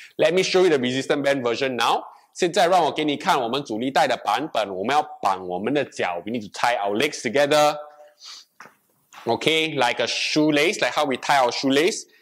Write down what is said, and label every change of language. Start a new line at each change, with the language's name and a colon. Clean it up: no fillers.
English: Let me show you the resistant band version now.
Chinese: 现在让我给你看我们阻力带的版本。我们要绑我们的脚。
English: We need to tie our legs together. Okay, like a shoelace, like how we tie our shoelace.